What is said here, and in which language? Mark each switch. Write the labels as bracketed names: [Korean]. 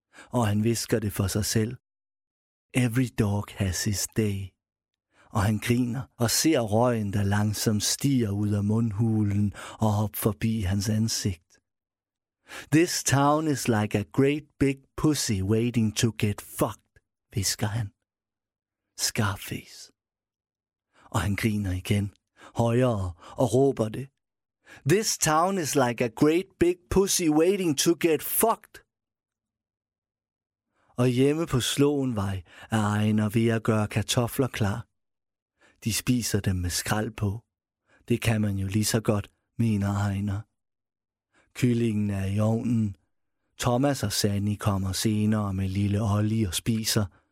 [Danish] Og han hvisker det for sig selv. [English] Every dog has his day. [Danish] Og han griner og ser røgen, der langsomt stiger ud af mundhulen og op forbi hans ansigt. [English] This town is like a great big pussy waiting to get fucked, [Danish] hvisker han. [English] Scarface. [Danish] Og han griner igen, højere, og råber det. [English] This town is like a great big pussy waiting to get fucked. [Danish] Og hjemme på Slåenvej er Ejner ved at gøre kartofler klar. De spiser dem med skrald på. Det kan man jo lige så godt, mener Ejner. Kyllingen er i ovnen. Thomas og Sandy kommer senere med lille Olli og spiser.